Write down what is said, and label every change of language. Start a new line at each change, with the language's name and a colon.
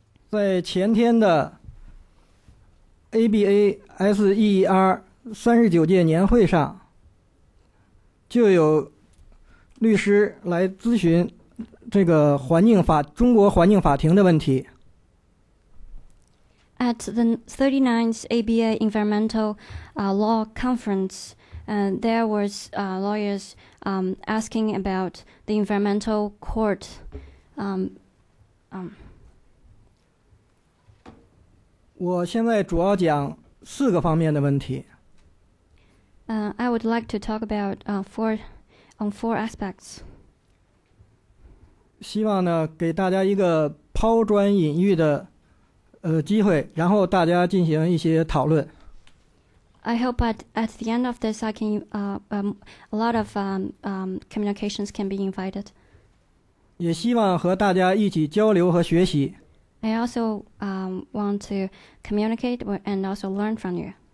Chinese: 在前天的 ABASER 39届年会上，就有律师来咨询这个中国环境法庭的问题。
English: At the 39th ABA Environmental Law Conference, there was lawyers asking about the environmental court.
Chinese: 我现在主要讲四个方面的问题。
English: I would like to talk about four aspects.
Chinese: 希望呢，给大家一个抛砖引玉的。机会，然后大家进行一些讨论。
English: I hope at the end of this, I can a lot of communications can be invited.
Chinese: 也希望和大家一起交流和学习。
English: I also want to communicate and also learn from you.